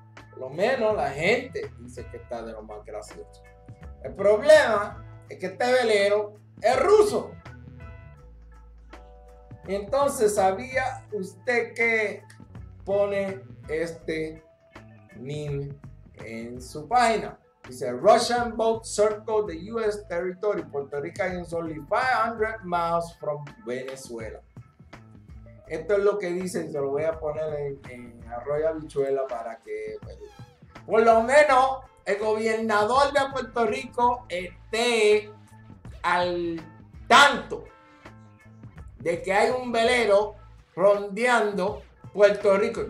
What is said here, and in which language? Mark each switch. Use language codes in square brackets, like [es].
[es] Por lo menos la gente dice que está de lo más gracioso. El problema es que este velero es ruso. Entonces, ¿sabía usted que pone este meme en su página? [en] Dice, Russian boat circled the U.S. territory. Puerto Rico is only 500 miles from Venezuela. [es] Esto es lo que dice, y se lo voy a poner en Arroyo Habichuela para que, pues, por lo menos, el gobernador de Puerto Rico esté al tanto de que hay un velero rondeando Puerto Rico.